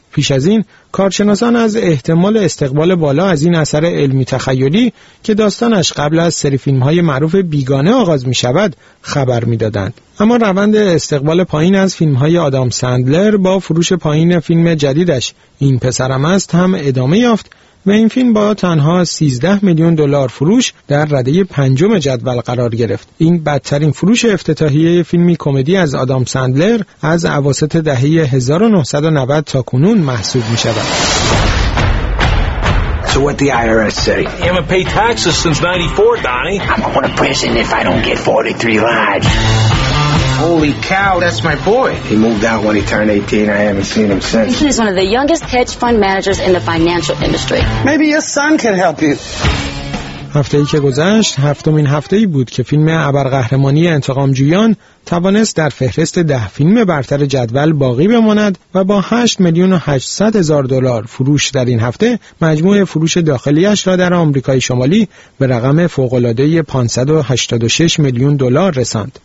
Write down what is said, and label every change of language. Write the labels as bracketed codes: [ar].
[fa] پیش از این کارشناسان از احتمال استقبال بالا از این اثر علمی تخیلی که داستانش قبل از سری فیلم‌های معروف بیگانه آغاز می‌شود خبر می‌دادند، اما روند استقبال پایین از فیلم‌های آدام سندلر با فروش پایین فیلم جدیدش این پسرم است هم ادامه یافت و این فیلم با تنها 13 میلیون دلار فروش در رده پنجم جدول قرار گرفت. این بدترین فروش افتتاحیه فیلمی کمدی از آدام سندلر از اواسط دهه 1990 تا کنون محسوب می شود. [en] So what the IRS say? You haven't paid taxes since 94, Donnie. I'm going to prison if I don't get 43 lives. Holy cow, that's my boy. He moved out when he turned 18. I haven't seen him since. He is one of the youngest hedge fund managers in the financial industry. Maybe your son can help you. [fa] هفته‌ای که گذشت هفتمین هفته‌ای بود که فیلم ابرقهرمانی انتقام جویان توانست در فهرست 10 فیلم برتر جدول باقی بماند و با 8 میلیون و 800 هزار دلار فروش در این هفته مجموع فروش داخلیش را در آمریکای شمالی به رقم فوق‌العاده‌ای 586 میلیون دلار رساند.